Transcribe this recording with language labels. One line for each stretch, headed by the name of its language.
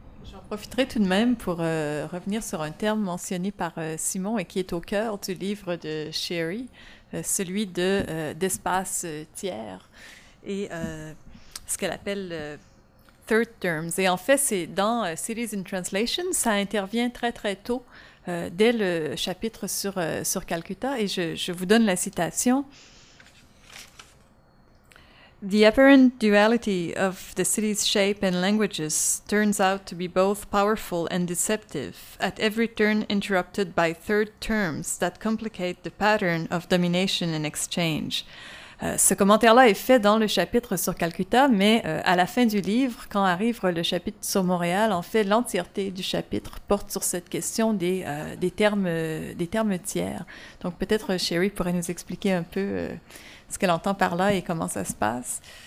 French: J'en profiterai tout de même pour revenir sur un terme mentionné par Simon et qui est au cœur du livre de Sherry, celui de d'espace tiers et ce qu'elle appelle third terms. Et en fait, c'est dans Cities in Translation, ça intervient très, très tôt. Dès le chapitre sur Calcutta, et je vous donne la citation.
English: The apparent duality of the city's shape and languages turns out to be both powerful and deceptive, at every turn interrupted by third terms that complicate the pattern of domination and exchange.
French: Ce commentaire-là est fait dans le chapitre sur Calcutta, mais à la fin du livre, quand arrive le chapitre sur Montréal, en fait, l'entièreté du chapitre porte sur cette question des termes tiers. Donc peut-être Sherry pourrait nous expliquer un peu ce qu'elle entend par là et comment ça se passe.